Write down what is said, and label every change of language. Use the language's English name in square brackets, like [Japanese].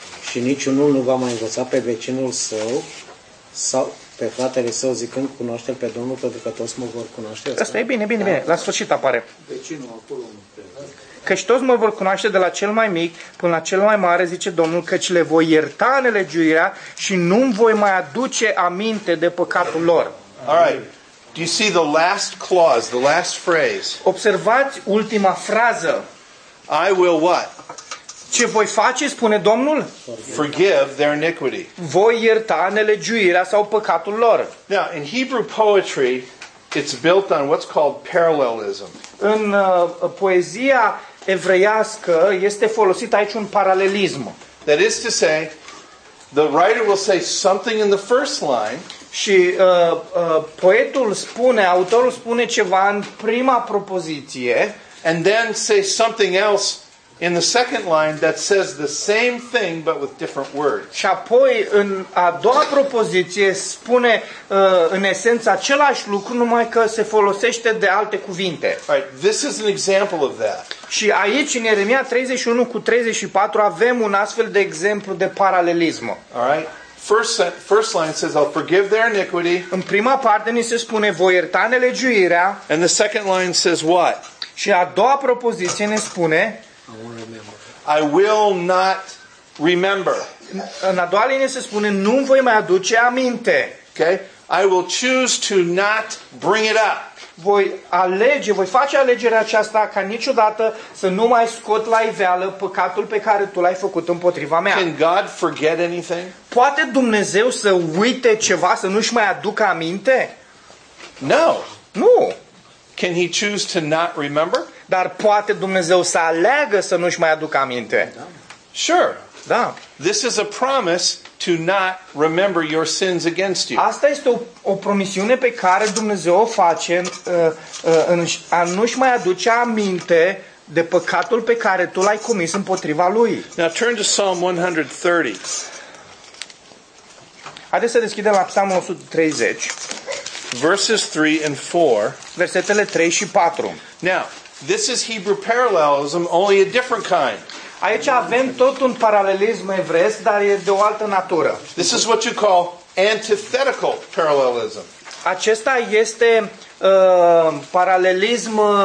[Romanian] Și niciunul nu va mai învăța pe vecinul său sau pe fratele său zicând cunoaște-l pe Domnul pentru că toți mă vor cunoaște. Asta e bine, bine, bine. La sfârșit apare. Vecinul acolo nu căci toți mă vor cunoaște de la cel mai mic până la cel mai mare, zice Domnul, căci le voi ierta nelegiuirea și nu-mi voi mai aduce aminte de păcatul lor. [English] All right. Do you see the last clause, the last phrase? [Romanian] Observați ultima frază. [English] I will what? [Romanian] Ce voi face, spune Domnul? [English] Forgive their iniquity. [Romanian] Voi ierta nelegiuirea sau păcatul lor. [English] Now, in Hebrew poetry, it's built on what's called parallelism. [Romanian] În poezia evreiască este folosit aici un paralelism. [English] That is to say, the writer will say something in the first line. [Romanian] Și poetul spune, autorul spune ceva în prima propoziție, [English] and then say something else in the second line that says the same thing but with different words. [Romanian] Și apoi în a doua propoziție spune în esență același lucru numai că se folosește de alte cuvinte. [English] Right, this is an example of that. [Romanian] Și aici în Ieremia 31 cu 34 avem un astfel de exemplu de paralelism. [English] All right. First line says I'll forgive their iniquity. [Romanian] În prima parte ni se spune voi ierta nelegiuirea. [English] And the second line says what? [Romanian] Și a doua propoziție ne spune [English] I will not remember. [Romanian] În a doua linie se spune nu voi mai aduce aminte. [English] Okay? I will choose to not bring it up. [Romanian] Voi face alegerea aceasta ca niciodată să nu mai scot la iveală păcatul pe care tu l-ai făcut împotriva mea. [English] Can God forget anything? [Romanian] Poate Dumnezeu să uite ceva, să nu-și mai aducă aminte? [English] No. [Romanian] Nu. [English] Can he choose to not remember? [Romanian] Dar poate Dumnezeu să aleagă să nu-și mai aducă aminte. [English] Sure. [Romanian] Da. [English] This is a promise to not remember your sins against you. [Romanian] Asta este o promisiune pe care Dumnezeu o face a nu-și mai aduce aminte de păcatul pe care tu l-ai comis împotriva lui. [English] Now turn to Psalm 130. [Romanian] Haideți să deschidem la Psalmul 130. [English] Verses 3 and 4. [Romanian] Versetele 3 și 4. [English] Now, this is Hebrew parallelism, only a different kind. [Romanian] Aici avem tot un paralelism evresc, dar e de o altă natură. [English] This is what you call antithetical parallelism. [Romanian] Acesta este paralelism